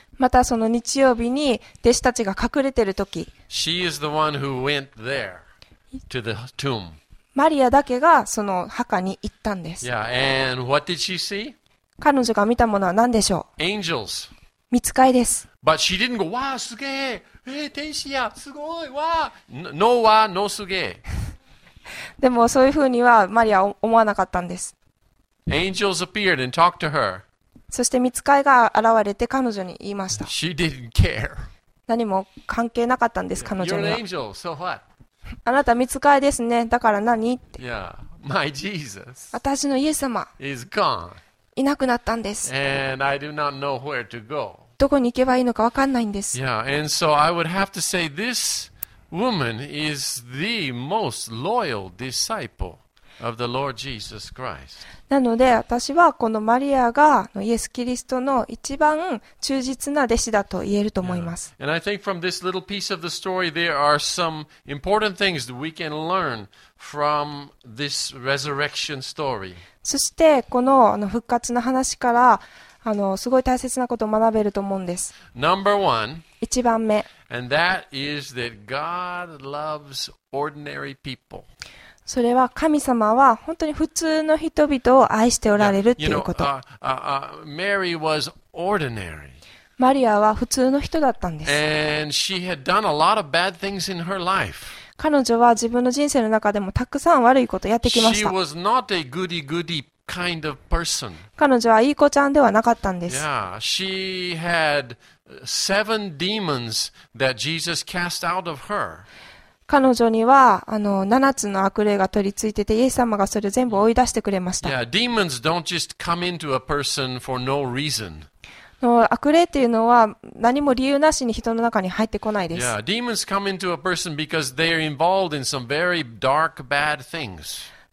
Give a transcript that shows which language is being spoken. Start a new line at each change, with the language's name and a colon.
Japanese: またその日曜日に弟子たちが隠れてる時、
English: she is the one who went there to the tomb.
Japanese: マリアだけがその墓に行ったんです。
English: Yeah, and what did she see?
Japanese: 彼女が見たものは何でしょう?
English: Angels.
Japanese: 御使いです。
English: But she didn't go,
Japanese: わーすげー! 天使や!すごい!わー!No, わー!No, すげー! でもそういうふうにはマリアは思わなかったんです。
English: Angels appeared and talked to her.
Japanese: そして御使いが現れて彼女に言いました。
English: She didn't care.
Japanese: 何も関係なかったんです、彼女には。
English: You're an angel, so what?
Japanese: あなた見つかりですね。だから何って。
English: Yeah, my Jesus.
Japanese: 私のイエス様。
English: is gone.
Japanese: いなくなったんです。
English: And I do not know where to go.
Japanese: どこに行けばいいのか分かんないんです。
English: Yeah, and so I would have to say this woman is the most loyal disciple of the Lord Jesus Christ.
Japanese: なので私はこのマリアがイエス・キリストの一番忠実な弟子だと言えると思います。
English: Yeah. And I think from this little piece of the story, there are some important things that we can learn from this resurrection story.
Japanese: そしてこの復活の話からすごい大切なことを学べると思うんです。
English: Number one,
Japanese: 一番目。
English: And that is that God loves ordinary people.
Japanese: それは神様は本当に普通の人々を愛しておられるということ。
English: Mary was ordinary.
Japanese: マリアは普通の人だったんです。
English: And she had done a lot of bad things in her life.
Japanese: 彼女は自分の人生の中でもたくさん悪いことをやってきました。
English: She was not a goody-goody kind of person.
Japanese: 彼女はいい子ちゃんではなかったんです。
English: Yeah, she had seven demons that Jesus cast out of her.
Japanese: 彼女には七つの悪霊が取り付いてて、イエス様がそれを全部追い出してくれました。
English: Yeah, demons don't just come into a person for no reason.
Japanese: 悪霊というのは何も理由なしに人の中に入ってこないです。
English: Yeah, demons come into a person because they are involved in some very dark, bad things.